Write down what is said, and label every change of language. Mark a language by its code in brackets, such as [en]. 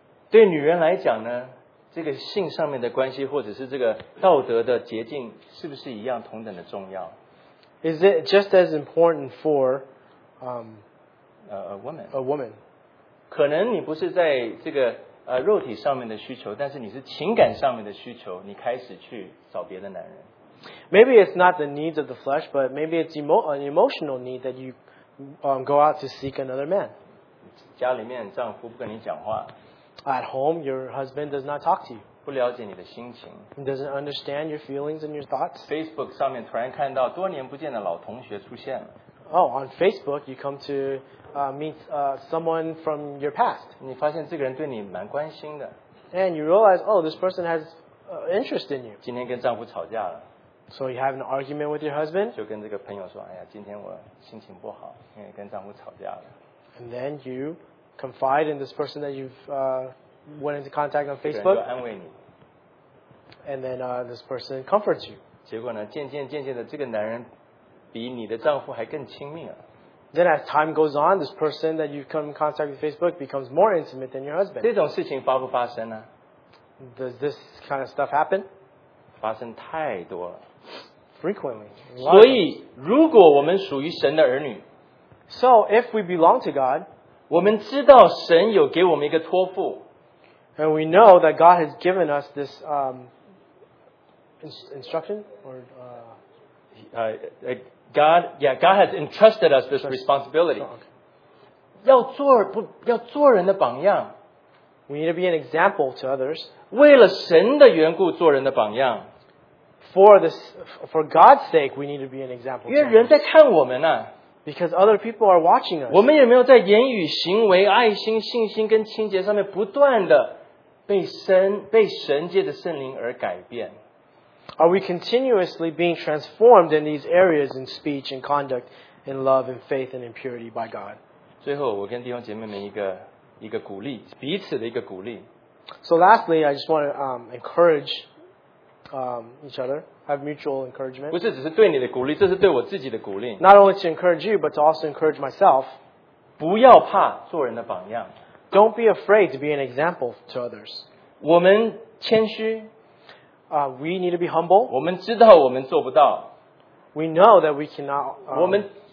[zh] 对女人来讲呢，这个性上面的关系，或者是这个道德的洁净，是不是一样同等的重要？ [en] Is it just as important for a woman? [zh] 可能你不是在这个肉体上面的需求，但是你是情感上面的需求，你开始去找别的男人。 [en] Maybe it's not the needs of the flesh, but maybe it's an emotional need that you go out to seek another man. [zh] 家里面丈夫不跟你讲话。 [en] At home, your husband does not talk to you. [zh] 不了解你的心情。 [en] He doesn't understand your feelings and your thoughts. [zh] Facebook 上面突然看到多年不见的老同学出现了。 [en] Oh, on Facebook, you come to meet someone from your past. [zh] 你发现这个人对你蛮关心的。 [en] And you realize, oh, this person has interest in you. [zh] 今天跟丈夫吵架了。 [en] So you have an argument with your husband. [zh] 就跟这个朋友说，哎呀，今天我心情不好，因为跟丈夫吵架了。 [en] And then you confide in this person that you've went into contact on Facebook. And then this person comforts you. [zh] 结果呢，渐渐的，这个男人比你的丈夫还更亲密啊。 [en] Then as time goes on, this person that you've come in contact with Facebook becomes more intimate than your husband. [zh] 这种事情发不发生呢？ [en] Does this kind of stuff happen? [zh] 发生太多了。 [en] Frequently. [zh] 所以，如果我们属于神的儿女。 [en] So if we belong to God, [zh] 我们知道神有给我们一个托付 [en] and we know that God has given us this instruction or God has entrusted us this responsibility. [zh] 要做人的榜样 [en] We need to be an example to others. [zh] 为了神的缘故做人的榜样 [en] For God's sake, we need to be an example. [zh] 因为人在看我们呢。 [en] Because other people are watching us. [zh] 我们有没有在言语、行为、爱心、信心跟清洁上面不断的被神借着圣灵而改变？ [en] Are we continuously being transformed in these areas in speech and conduct, in love and faith and impurity by God? [zh] 最后，我跟弟兄姐妹们一个鼓励，彼此的一个鼓励。 [en] So lastly, I just want to encourage each other. Have mutual encouragement. [zh] 不是只是对你的鼓励，这是对我自己的鼓励。 [en] Not only to encourage you, but to also encourage myself. [zh] 不要怕做人的榜样。 [en] Don't be afraid to be an example to others. [zh] 我们谦虚。 [en] We need to be humble. [zh] 我们知道我们做不到。 [en] We know that we cannot.